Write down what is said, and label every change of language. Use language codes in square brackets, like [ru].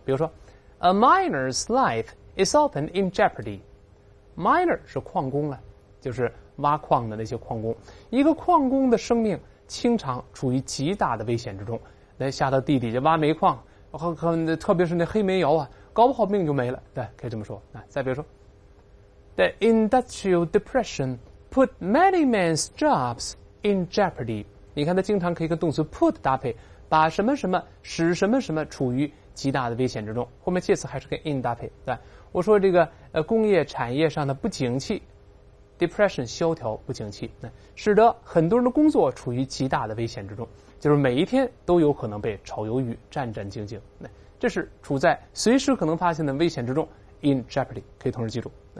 [zh] 比如说 [en] A miner's life is often in jeopardy。 [zh] miner 是矿工了，就是挖矿的那些矿工，一个矿工的生命经常处于极大的危险之中，那下到地底下挖煤矿，特别是那黑煤窑啊，搞不好命就没了，对，可以这么说。再比如说 [en] The Industrial Depression put many men's jobs in jeopardy。 [zh] 你看它经常可以跟动词 put 搭配，把什么什么使什么什么处于极大的危险之中，后面介词还是跟 in 搭配，对，我说这个工业产业上的不景气，depression 萧条不景气，使得很多人的工作处于极大的危险之中，就是每一天都有可能被炒鱿鱼，战战兢兢，这是处在随时可能发现的危险之中， [en] in jeopardy, [zh] 可以同时记住。